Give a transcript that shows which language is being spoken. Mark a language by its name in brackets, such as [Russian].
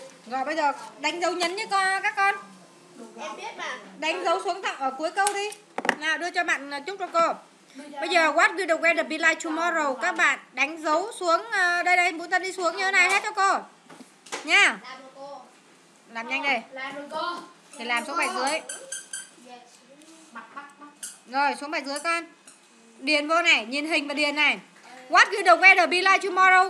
[Vietnamese] Rồi bây giờ đánh dấu nhấn nhé các con. Em biết mà. Đánh dấu xuống thẳng ở cuối câu đi. Nào đưa cho bạn chúc cho cô. Bây giờ [English] what will the weather be like tomorrow? [Vietnamese] Các bạn đánh dấu xuống đây đây, muốn ta đi xuống như thế này hết cho cô. Nha. Làm nhanh đi. Làm rồi cô. Thì làm xuống bài dưới. Rồi xuống bài dưới con. Điền vô này, nhìn hình và điền này. [English] What will the weather be like tomorrow?